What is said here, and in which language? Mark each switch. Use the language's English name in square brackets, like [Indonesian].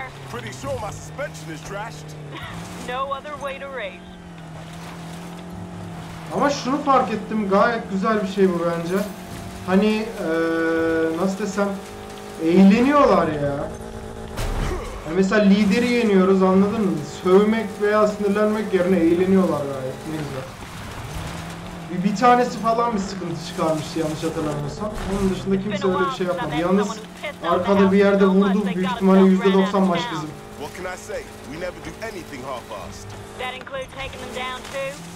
[English] Pretty sure my suspension is trashed. No other way to race. [Turkish] Ama şunu fark ettim, gayet güzel bir şey bu bence. Hani nasıl desem, eğleniyorlar ya. Yani mesela lideri yeniyoruz, anladın mı? Sövmek veya sinirlenmek yerine eğleniyorlar gayet, ne güzel. Bir tanesi falan bir sıkıntı çıkarmıştı yanlış hatırlamıyorsam. Onun dışında kimse öyle bir şey yapmadı. Yalnız arkada bir yerde vurdu. Büyük ihtimalle %90 maç bizim. [English] What can I say? We never do anything half-assed. That include taking them down too?